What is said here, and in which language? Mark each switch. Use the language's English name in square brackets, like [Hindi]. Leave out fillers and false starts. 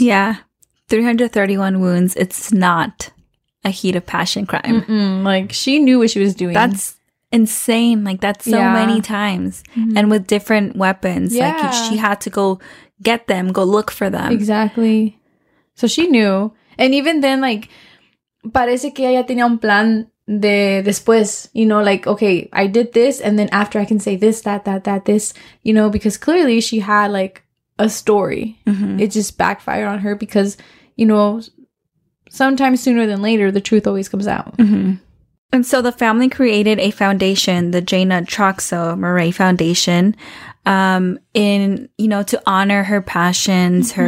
[English] Yeah. 331 wounds. It's not a heat of passion crime. Mm-mm. Like, she knew what she was doing. That's insane. Like, that's so many times. Mm-hmm. And with different weapons. Yeah. Like, she had to go get them, go look for them. Exactly. So she knew. And even then, like, [Spanish] parece que ella tenía un plan de después. [English] You know, like, okay, I did this. And then after I can say this, that, this. You know, because clearly she had, like, a story. Mm-hmm. It just backfired on her because, you know, sometimes sooner than later, the truth always comes out. Mm-hmm. And so the family created a foundation, the Jaina Troxell Murray Foundation, to honor her passions, mm-hmm.